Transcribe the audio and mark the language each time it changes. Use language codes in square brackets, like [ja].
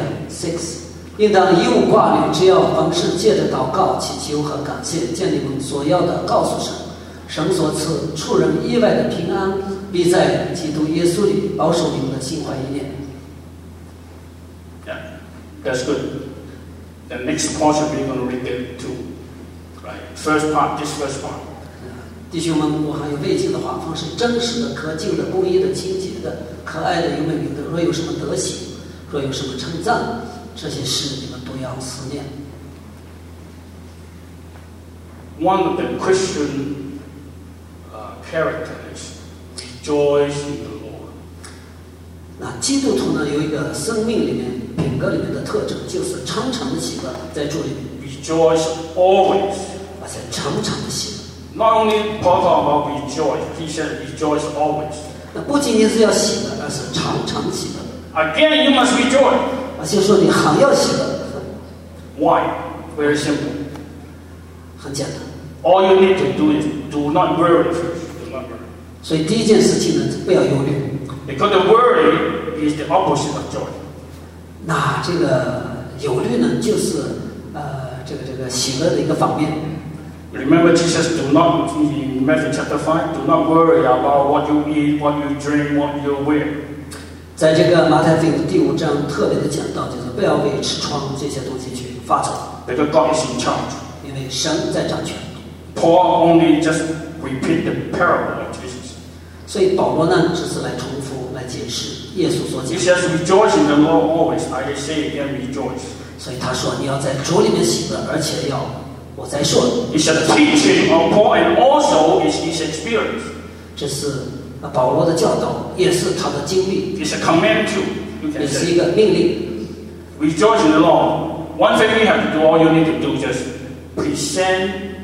[en] Six. [zh] 应当一无挂虑，只要凡事借着祷告、祈求和感谢，将你们所要的告诉神。神所赐出人意外的平安，必在基督耶稣里保守你们的心怀意念。 [en] Yeah, that's good. The next portion we're going to read there too. Right, first part, this first part. [zh] 弟兄们，我还有未尽的话，凡是真实的、可敬的、公义的、清洁的、可爱的、有美名的，若有什么德行，若有什么称赞，这些事你们都要思念。 [en] One of the Christian characters rejoice in the Lord. [zh] 那基督徒呢，有一个生命里面、品格里面的特征，就是常常的喜乐，在主里面。 [en] Rejoice always. [zh] 而且常常的喜乐。 [en] Not only Paul talks about rejoice, he says rejoice always. [zh] 那不仅仅是要喜乐，而是常常喜乐。 [en] Again, you must rejoice. [zh] 而且说你还要喜乐。 [en] Why? Very simple. [zh] 很简单。 [en] All you need to do is do not worry first. Remember. [zh] 所以第一件事情呢，不要忧虑。 [en] Because the worry is the opposite of joy. [zh] 那这个忧虑呢，就是喜乐的一个方面。 [en] Remember Jesus, do not, in Matthew chapter 5, do not worry about what you eat, what you drink, what you wear. [zh] 在这个马太福音第五章特别的讲到，就是不要为吃穿这些东西去发愁。 [en] Because God is in charge. [zh] 因为神在掌权。 [en] Paul only just repeat the parable of Jesus. [zh] 所以保罗呢，只是来重复，来解释耶稣所讲。 [en] He says, rejoice in the Lord always. I say again, rejoice. [zh] 所以他说，你要在主里面喜乐，而且要我再说。 [en] It's a teaching of Paul and also is his experience. [zh] 这是保罗的教导，也是他的经历。 [en] It's a command too. [zh] 也是一个命令。 [en] Rejoice in the Lord. One thing you have to do, all you need to do, just present.